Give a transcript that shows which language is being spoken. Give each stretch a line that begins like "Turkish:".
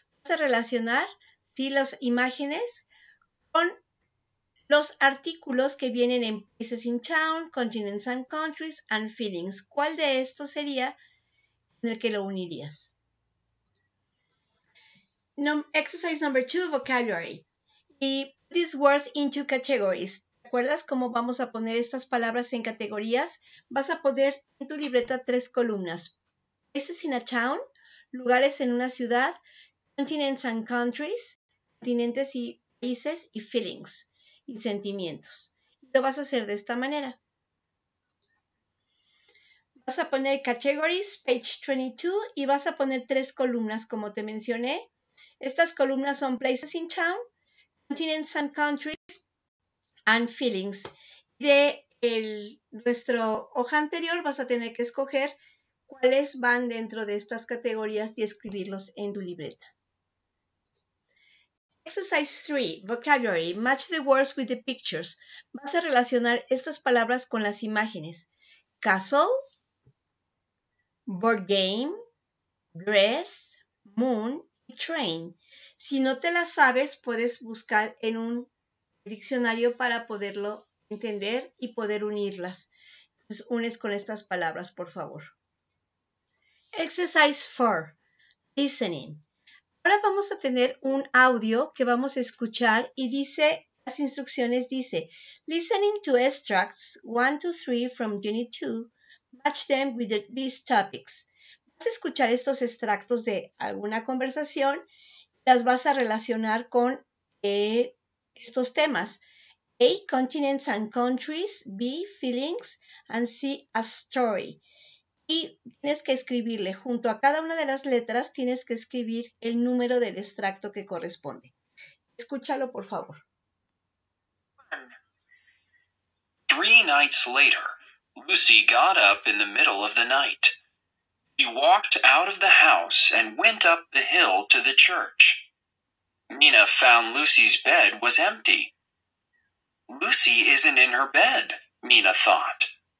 Spanish: Vas a relacionar, ¿sí?, las imágenes con los artículos que vienen en
English: places in town, continents and countries, and feelings.
Spanish: ¿Cuál de estos sería en el que lo unirías?
English: Exercise number 2, vocabulary. Y put these words into categories.
Spanish: ¿Te acuerdas cómo vamos a poner estas palabras en categorías? Vas a poner en tu libreta tres columnas.
English: Places in a town,
Spanish: lugares en una ciudad,
English: continents and countries,
Spanish: continentes y países, y feelings, y sentimientos. Y lo vas a hacer de esta manera. Vas a poner
English: categories, page 22,
Spanish: y vas a poner tres columnas, como te mencioné. Estas columnas son
English: places in town, continents and countries, and feelings.
Spanish: De nuestra hoja anterior vas a tener que escoger cuáles van dentro de estas categorías y escribirlos en tu libreta.
English: Exercise 3, vocabulary. Match the words with the pictures.
Spanish: Vas a relacionar estas palabras con las imágenes.
English: Castle, board game, dress, moon, train.
Spanish: Si no te la sabes, puedes buscar en un diccionario para poderlo entender y poder unirlas. Entonces, unes con estas palabras, por favor.
English: Exercise 4. Listening.
Spanish: Ahora vamos a tener un audio que vamos a escuchar y dice, las instrucciones dice,
English: listening to extracts 1 to 3 from Unit 2, match them with these topics.
Spanish: Vas a escuchar estos extractos de alguna conversación y las vas a relacionar con estos temas.
English: A, continents and countries. B, feelings. And C, a story.
Spanish: Y tienes que escribirle junto a cada una de las letras, tienes que escribir el número del extracto que corresponde. Escúchalo, por favor.
English: Three nights later, Lucy got up in the middle of the night. She walked out of the house and went up the hill to the church. Mina found Lucy's bed was empty. Lucy isn't in her bed, Mina thought.